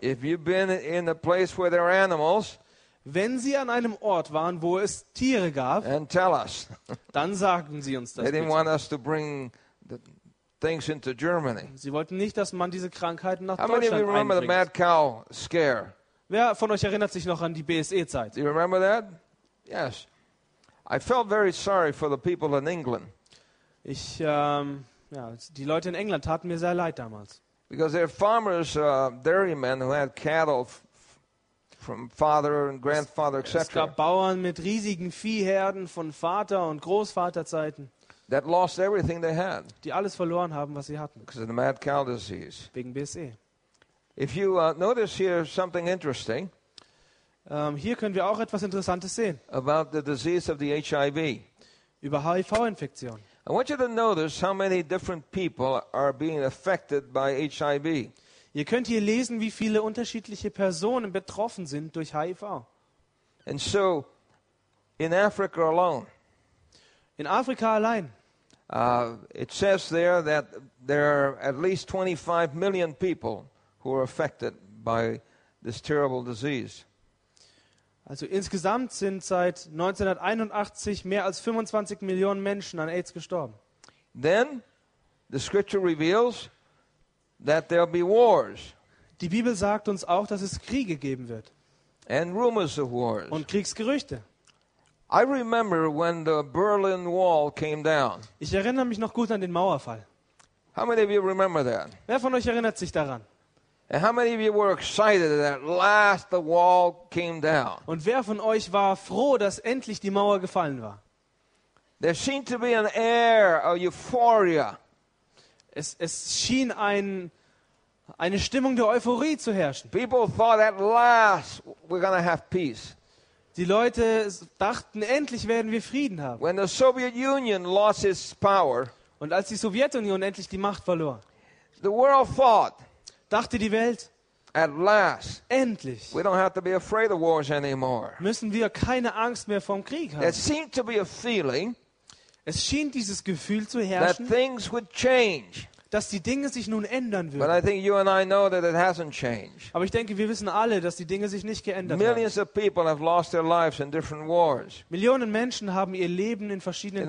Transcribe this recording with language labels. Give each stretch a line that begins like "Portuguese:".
English: If you've been in a place where there are animals,
German: wenn Sie an einem Ort waren, wo es Tiere gab,
English: and tell us.
German: Dann sagen Sie uns das.
English: They didn't want us to bring the things into Germany.
German: Sie wollten nicht, dass man diese Krankheiten nach
English: How
German: Deutschland einbringt.
English: How many remember the mad cow scare?
German: Wer von euch erinnert sich noch an die BSE-Zeit?
English: You remember that? Yes. I felt very sorry for the people in England.
German: Ich, die Leute in England taten mir sehr leid damals.
English: Because they're farmers, dairymen who had cattle from father and grandfather, etc.
German: Es gab Bauern mit riesigen Viehherden von Vater- und Großvaterzeiten.
English: That lost everything they had.
German: Die alles verloren haben, was sie hatten.
English: Because of the mad cow disease.
German: Wegen BSE.
English: If you notice here something interesting,
German: hier können wir auch etwas Interessantes sehen.
English: About the disease of the HIV.
German: Über HIV-Infektion.
English: I want you to notice how many different people are being affected by HIV.
German: Ihr könnt hier lesen, wie viele unterschiedliche Personen betroffen sind durch HIV.
English: And so, in Africa alone.
German: In Afrika allein.
English: It says there that there are at least 25 million people who are affected by this terrible disease.
German: Also insgesamt sind seit 1981 mehr als 25 Millionen Menschen an AIDS gestorben.
English: Then the scripture reveals that there'll be wars.
German: Die Bibel sagt uns auch, dass es Kriege geben wird.
English: And rumors of wars.
German: Und Kriegsgerüchte.
English: I remember when the Berlin Wall came down.
German: Ich erinnere mich noch gut an den Mauerfall.
English: How many of you remember that?
German: Wer von euch erinnert sich daran?
English: And how many of you were excited that at last the wall came down?
German: Und wer von euch war froh, dass endlich die Mauer gefallen war?
English: There seemed to be an air of euphoria.
German: Es schien eine Stimmung der Euphorie zu herrschen.
English: People thought at last we're going to have peace.
German: Die Leute dachten, endlich werden wir Frieden haben.
English: When the Soviet Union lost its power,
German: und als die Sowjetunion endlich die Macht verlor,
English: the world thought,
German: dachte die Welt,
English: at last,
German: endlich,
English: we don't have to be afraid of wars anymore.
German: Müssen wir keine Angst mehr vom Krieg haben.
English: There seemed to be a feeling,
German: es schien dieses Gefühl zu herrschen,
English: that things would change,
German: dass die Dinge sich nun ändern würden.
English: But I think you and I know that it hasn't changed.
German: Aber ich denke, wir wissen alle, dass die Dinge sich nicht geändert
English: Millions
German: haben.
English: Of people have lost their lives in different wars.
German: Millionen Menschen haben ihr Leben in verschiedenen